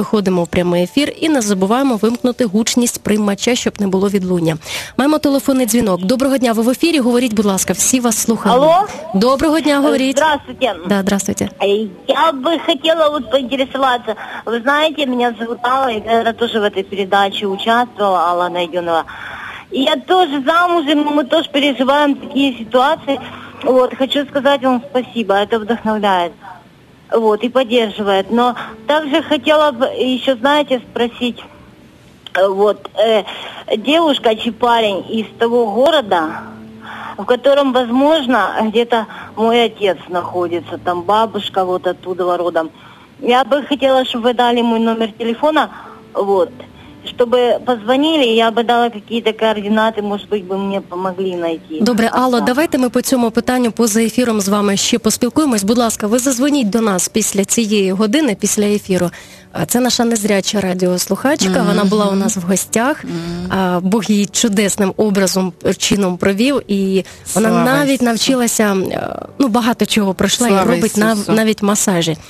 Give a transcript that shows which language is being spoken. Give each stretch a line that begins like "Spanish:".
Ukrainian: Виходимо в прямий ефір і не забуваємо вимкнути гучність приймача, щоб не було відлуння. Маємо телефонний дзвінок. Доброго дня, ви в ефірі, говоріть, будь ласка, всі вас слухають. Алло? Доброго дня, говоріть.
Russian: Здравствуйте. Да, здравствуйте.
Ukrainian: Я би хотіла от поінтересуватися. Ви знаєте, мене звертало, я теж в цій передачі участвувала, Алана Йонова.
Russian: Я тоже замужем, мы тоже переживаем такие ситуации. Вот, хочу сказать вам спасибо, это вдохновляет. Вот, и поддерживает. Но также хотела бы еще, знаете, спросить, вот, девушка чи парень из того города, в котором, возможно, где-то мой отец находится, там бабушка вот оттуда родом. Я бы хотела, чтобы вы дали мой номер телефона, вот. Чтобы позвонили, я бы дала какие-то координаты, может быть, бы мне помогли найти.
Ukrainian: Добре, Алло, давайте ми по цьому питанню поза ефіром з вами ще поспілкуємось. Будь ласка, ви зазвоніть до нас після цієї години, після ефіру. Це наша незряча радіослухачка, вона була у нас в гостях, Бог її чудесним образом, чином провів, і вона навіть навчилася, ну, багато чого пройшла і робить навіть масажі.